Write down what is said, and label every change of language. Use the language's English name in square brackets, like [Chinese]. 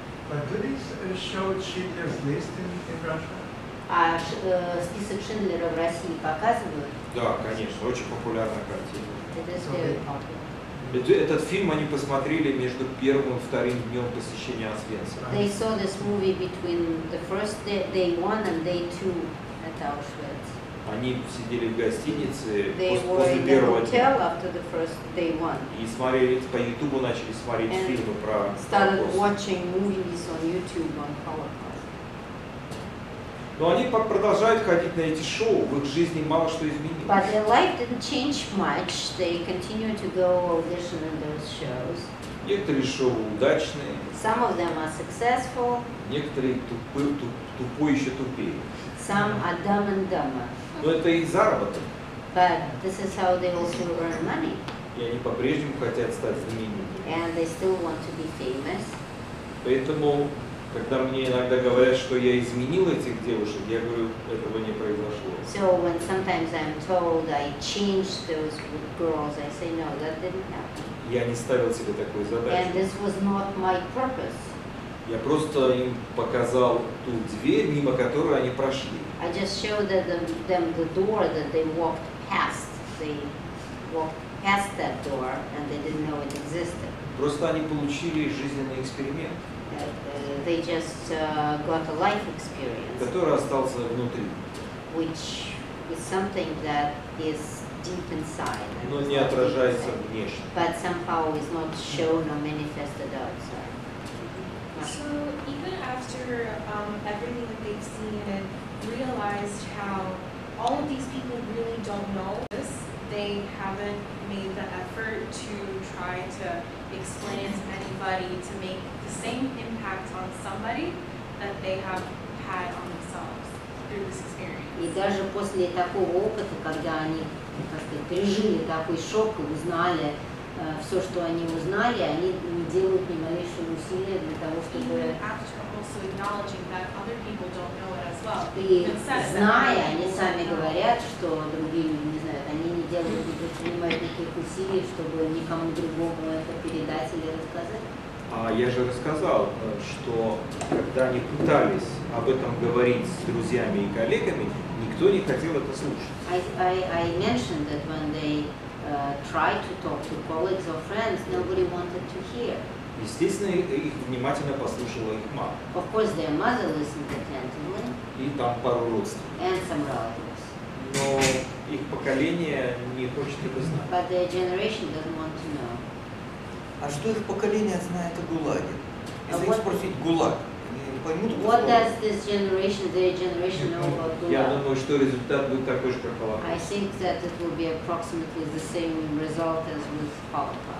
[English] But do they show Schindler's List in Russia? [Russian] Список Шиндлера в России показывают? Да, конечно, очень популярная картина. [English] It is very popular. [Russian] Этот фильм они посмотрели между первым и вторым днем посещения Освенцима. [English] They saw this movie between the first day one and day two at Auschwitz. [Russian] Они сидели в гостинице [English] they [Russian] после первого дня [English] the first day one. [Russian] И смотрели по Ютубу, начали смотреть [English] and [Russian] фильмы про [English] started watching movies on YouTube on Holocaust. [Russian] Но они продолжают ходить на эти шоу, в их жизни мало что изменилось. [English] But their life didn't change much. They continue to go audition in those shows. [Russian] Некоторые шоу удачные. [English] Some of them are successful. [Russian] Некоторые тупые еще тупее. [English] Some are dumb and dumber. [Russian] Но это их заработок. [English] But this is how they also earn money. [Russian] И они по-прежнему хотят стать знаменитыми. [English] And they still want to be famous. [Russian] Поэтому, когда мне иногда говорят, что я изменил этих девушек, я говорю, этого не произошло. [English] So when sometimes I'm told I changed those girls, I say no, that didn't happen. [Russian] Я не ставил себе такую задачу. [English] And this was not my purpose. [Russian] Я просто им показал ту дверь, мимо которой они прошли. [English] I just showed them the door that they walked past. They walked past that door and they didn't know it existed. [Russian] Просто они получили жизненный эксперимент. [English] They just got a life experience. [Russian] Который остался внутри. [English] Which is something that is deep inside. [Russian] Но не отражается внешне. [English] But somehow is not shown or manifested outside. So even after everything that they've seen and realized how all of these people really don't know this, they haven't made the effort to try to explain it to anybody to make the same impact on somebody that they have had on themselves through this experience. [Russian] И даже после такого опыта, когда они как-то пережили такой шок и узнали все, что они узнали, они не делают ни малейшего усилия для того, чтобы... [English] Even after also acknowledging that other people don't know it as well. [Russian] И зная, они сами говорят, что другие люди не знают, они не делают, не предпринимают никаких усилий, чтобы никому другому это передать или рассказать. А я же рассказал, что когда они пытались об этом говорить с друзьями и коллегами, никто не хотел это слушать. [English] I mentioned that when they try to talk to colleagues or friends, nobody wanted to hear. [Russian] Естественно, их внимательно послушала их мама. [English] Of course, their mother listened attentively. [Russian] И там пару родственников. [English] And some relatives. [Russian] Но их поколение не хочет это знать. [English] But their generation doesn't want to know. [Russian] А что их поколение знает о ГУЛАГе? Если их спросить ГУЛАГ, поймут, [English] what does this generation, their generation know about GULAG? [Russian] Я думаю, что результат будет такой же, как Holocaust. [English] I think that it will be approximately the same result as with Holocaust.